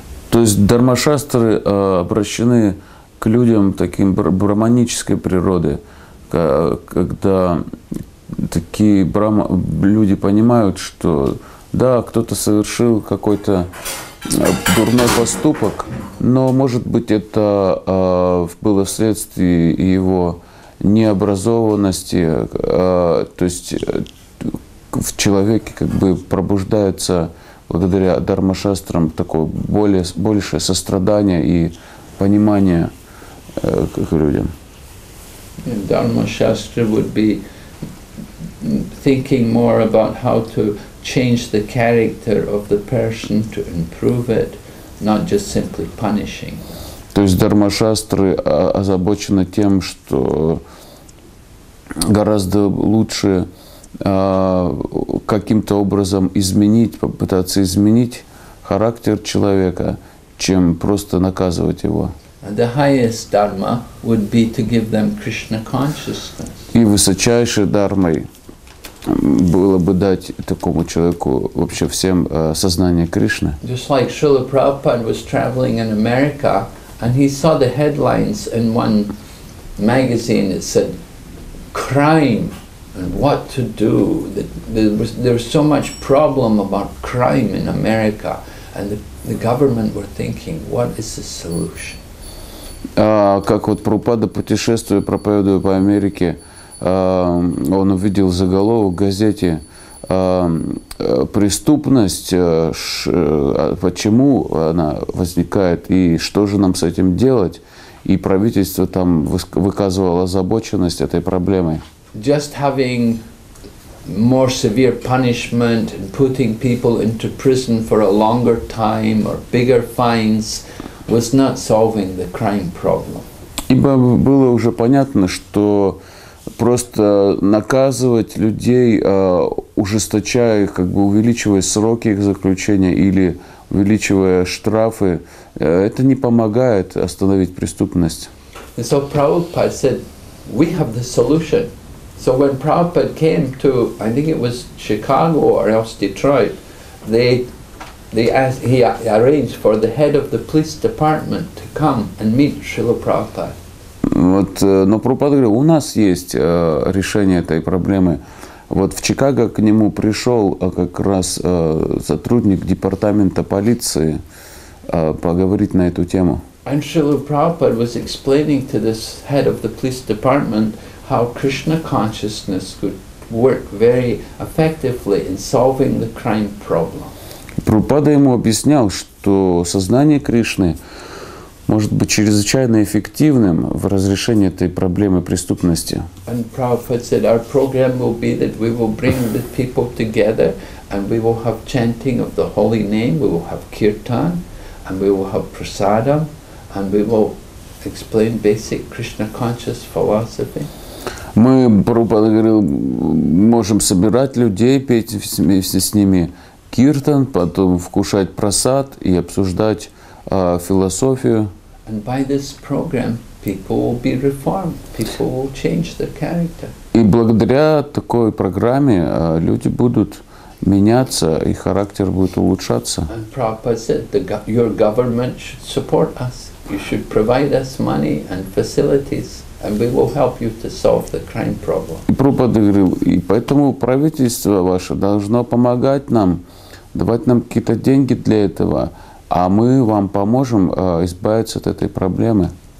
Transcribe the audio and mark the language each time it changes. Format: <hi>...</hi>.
<ru>То есть дхармашастры обращены к людям таким брахманической природы, когда такие люди понимают, что да, кто-то совершил какой-то дурной поступок, но, может быть, это было вследствие его необразованности. То есть в человеке как бы пробуждается благодаря дхармашастрам такое большее сострадание и понимание к людям.</ru> <en>Дхармашастра would be thinking more about how to change the character of the person to improve it, not just simply punishing.</en> <ru>То есть дхармашастры озабочены тем, что гораздо лучше каким-то образом попытаться изменить характер человека, чем просто наказывать его.</ru> <en>The highest dharma would be to give them Krishna consciousness.</en> <ru>И высочайшей дхармой было бы дать такому человеку, вообще всем, сознание Кришны.</ru> <en>Just like Srila Prabhupada was traveling in America and he saw the headlines in one magazine that said crime and what to do. There was so much problem about crime in America and the government were thinking, what is the solution?</en> <ru>Как вот Прабхупада, путешествуя, проповедуя по Америке, он увидел заголовок в газете «Преступность, почему она возникает и что же нам с этим делать?» И правительство там выказывало озабоченность этой проблемой.</ru> <en>Just having more severe punishment and putting people into prison for a longer time or bigger fines was not solving the crime problem.</en> <ru>Ибо было уже понятно, что просто наказывать людей, ужесточая их, как бы увеличивая сроки их заключения или увеличивая штрафы, это не помогает остановить преступность.</ru> <en>And so Prabhupada said, we have the solution. So when Prabhupada came to, I think it was Chicago or else Detroit, he arranged for the head of the police department to come and meet Srila Prabhupada.</en> <ru>Вот, но Прабхупада говорил, у нас есть решение этой проблемы. Вот в Чикаго к нему пришел как раз сотрудник департамента полиции поговорить на эту тему.</ru> <en>And Srila Prabhupada was explaining to this head of the police department how Krishna consciousness could work very effectively in solving the crime problem.</en> <ru>Прабхупада ему объяснял, что сознание Кришны может быть чрезвычайно эффективным в разрешении этой проблемы преступности.</ru> <en>And Prabhupada said, our program will be that we will bring the people together and we will have chanting of the holy name, we will have kirtan, and we will have prasadam, and we will explain basic Krishna conscious philosophy.</en> <ru>Мы, Прабхупада говорил, можем собирать людей, петь вместе с ними киртан, потом вкушать прасад и обсуждать философию.</ru> <en>And by this program, people will be reformed. People will change their character.</en> <ru>И благодаря такой программе люди будут меняться, и характер будет улучшаться.</ru> <en>And Prabhupada said, your government should support us. You should provide us money and facilities, and we will help you to solve the crime problem.</en> <ru>И Прабхупада говорил, и поэтому правительство ваше должно помогать нам, давать нам какие-то деньги для этого. А мы вам поможем избавиться от этой проблемы.</ru>